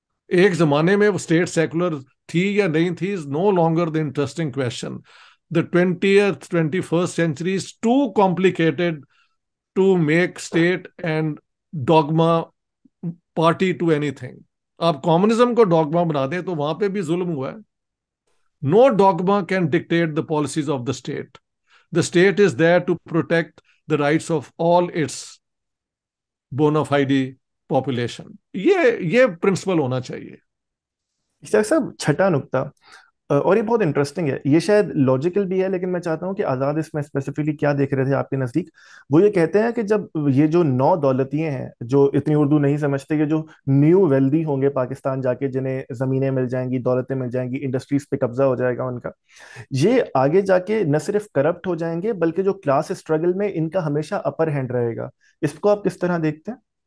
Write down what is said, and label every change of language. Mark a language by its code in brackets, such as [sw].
[ur] ایک زمانے میں وہ سٹیٹ سیکولر تھی یا نہیں تھی [en] Is no longer the interesting question. The 20th, 21st century is too complicated to make state and dogma party to any thing. [ur] آپ کمیونزم کو ڈاگما بنا دیں تو وہاں پہ بھی ظلم ہوا ہے. [en] No dogma can dictate the policies of the state is there to protect the rights of all its bona fide population. [ur] یہ پرنسپل ہونا چاہیے. صاحب چھٹا نقطہ, اور یہ بہت انٹرسٹنگ ہے, یہ شاید لوجیکل بھی ہے, لیکن میں چاہتا ہوں کہ آزاد اس میں اسپیسیفکلی کیا دیکھ رہے تھے آپ کے نزدیک. وہ یہ کہتے ہیں کہ جب یہ جو نو دولتیے ہیں جو اتنی اردو نہیں سمجھتے, یہ جو نیو ویلدی ہوں گے پاکستان جا کے, جنہیں زمینیں مل جائیں گی, دولتیں مل جائیں گی, انڈسٹریز پہ قبضہ ہو جائے گا ان کا, یہ آگے جا کے نہ صرف کرپٹ ہو جائیں گے بلکہ جو کلاس اسٹرگل میں ان کا ہمیشہ اپر ہینڈ رہے گا, اس کو آپ کس طرح دیکھتے ہیں؟